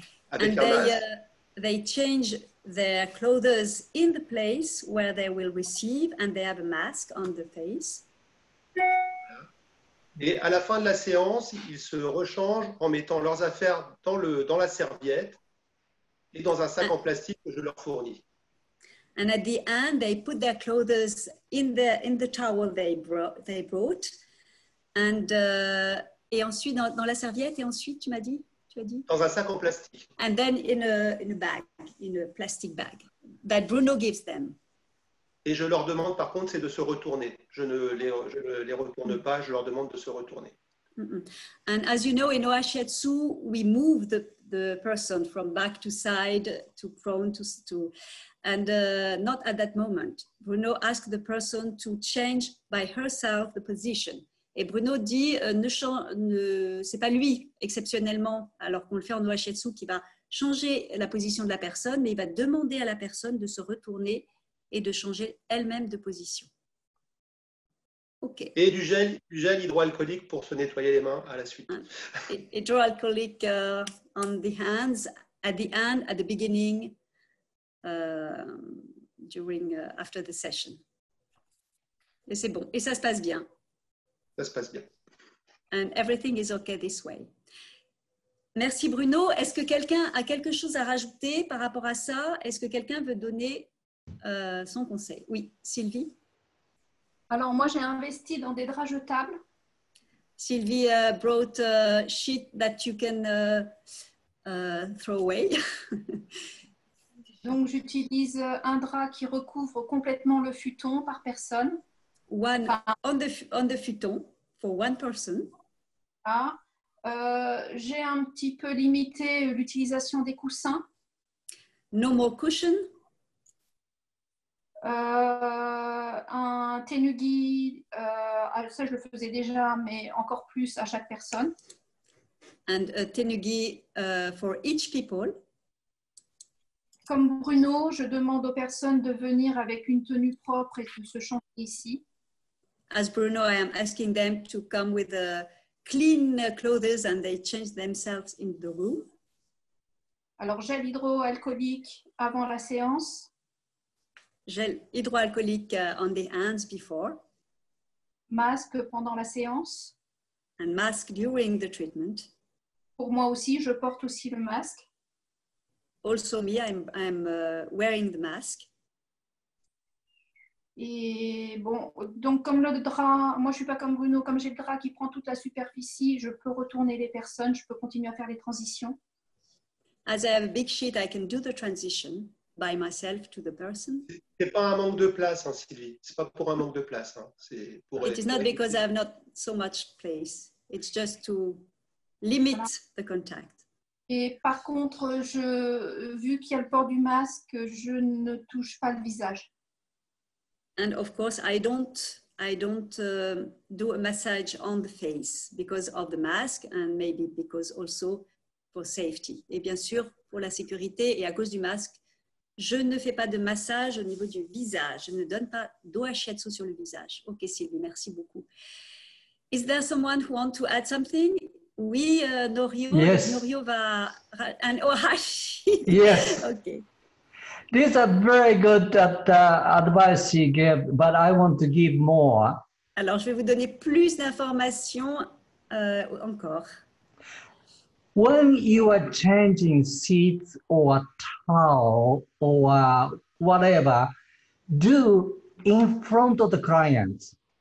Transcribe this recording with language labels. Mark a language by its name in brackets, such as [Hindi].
[French] Avec [English] and they change their clothes in the place where they will receive and they have a mask on the face. [French] Et à la fin de la séance, ils se rechangent en mettant leurs affaires dans la serviette et dans un sac en plastique que je leur fournis. [English] And at the end, they put their clothes in the towel they brought, and [French] et ensuite dans la serviette et ensuite tu as dit dans un sac en plastique. [English] And then in a plastic bag that Bruno gives them. [French] Et je leur demande, par contre, c'est de se retourner. Je ne les retourne pas, je leur demande de se retourner. Mm-hmm. [English] And as you know, in Oashiatsu, we move the person from back to side, to front, to and not at that moment. Bruno asks the person to change by herself the position. [French] Et Bruno dit, c'est pas lui, exceptionnellement, alors qu'on le fait en Oashiatsu, qui va changer la position de la personne, mais il va demander à la personne de se retourner et de changer elle-même de position. [English] Okay. [French] Et du gel hydroalcoolique pour se nettoyer les mains à la suite. [English] Hydroalcoolic on the hands, at the end, at the beginning, after the session. [French] Et c'est bon, et ça se passe bien. Ça se passe bien. [English] And everything is okay this way. [French] Merci Bruno. Est-ce que quelqu'un a quelque chose à rajouter par rapport à ça? Est-ce que quelqu'un veut donner son conseil? Oui, Sylvie? Alors moi j'ai investi dans des draps jetables. [English] Sylvie brought a sheet that you can throw away. [French] Donc j'utilise un drap qui recouvre complètement le futon par personne. [English] On the futon for one person. Ah. [French] J'ai un petit peu limité l'utilisation des coussins. [English] No more cushion. [French] Un tenugi, ça je le faisais déjà, mais encore plus à chaque personne. [English] And a tenugi for each people. [French] Comme Bruno, je demande aux personnes de venir avec une tenue propre et de se changer ici. [English] As Bruno, I am asking them to come with a clean clothes and they change themselves in the room. [French] Alors gel hydroalcoolique avant la séance. [English] Gel hydroalcoolique on the hands before. [French] Masque pendant la séance. [English] And mask during the treatment. [French] Pour moi aussi, je porte aussi le masque. [English] Also me, I'm wearing the mask. [French] Et bon, donc comme le drap, moi je ne suis pas comme Bruno, comme j'ai le drap qui prend toute la superficie, je peux retourner les personnes, je peux continuer à faire les transitions. [English] As I have a big sheet, I can do the transition by myself to the person. [French] Ce n'est pas un manque de place, hein, Sylvie. Ce n'est pas pour un manque de place. Hein. C'est pour [English] It is not because I have not so much place. It's just to limit the contact. [French] Et par contre, vu qu'il y a le port du masque, je ne touche pas le visage. [English] And of course, I don't do a massage on the face because of the mask and maybe because also for safety. [French] Et bien sûr, pour la sécurité et à cause du masque, je ne fais pas de massage au niveau du visage. Je ne donne pas d'oashiatsu sur le visage. Ok, Sylvie, merci beaucoup. [English] Is there someone who wants to add something? [French] Oui, Norio. [English] Yes. [French] Norio va... And Ohashi. [English] Yes. Okay. This is a very good advice you gave, but I want to give more. [French] Alors, je vais vous donner plus d'informations encore. [English] When you are changing seats or towel or whatever, do in front of the client.